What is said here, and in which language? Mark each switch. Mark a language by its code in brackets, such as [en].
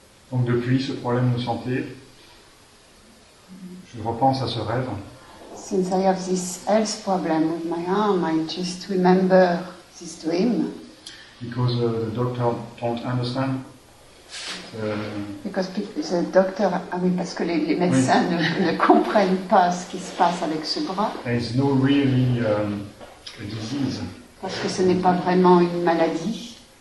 [fr] Donc depuis ce problème de santé, je repense à ce rêve. [en] Since I have this health problem with my arm, I just remember this dream. Because the doctor don't understand. [fr] Parce que les médecins ne comprennent pas ce qui se passe avec ce bras. [en] There is no really a disease. [fr] Parce que ce n'est pas vraiment une maladie.